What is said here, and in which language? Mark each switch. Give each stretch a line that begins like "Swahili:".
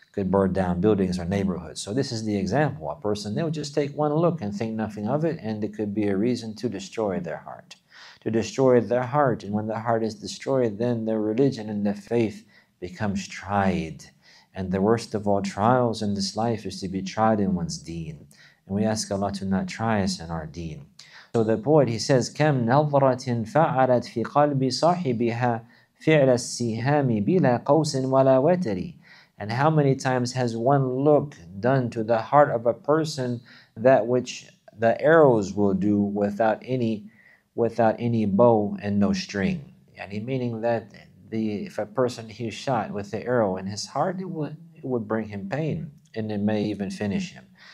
English: So this is the example. A person, they'll just take one look and think nothing of it, and it could be a reason to destroy their heart. And when the heart is destroyed, then their religion and their faith becomes tried. And the worst of all trials in this life is to be tried in one's deen. And we ask Allah to not try us in our deen. So the poet, he says,
Arabic: كَمْ نَظْرَةٍ فَعَلَتْ فِي قَلْبِ صَاحِبِهَا فِعْلَ السِّهَامِ بِلَا قَوْسٍ وَلَا وَتَرِي.
English: And how many times has one look done to the heart of a person that which the arrows will do without any bow and no string? Meaning that if a person he shot with the arrow in his heart, it would bring him pain, and it may even finish him.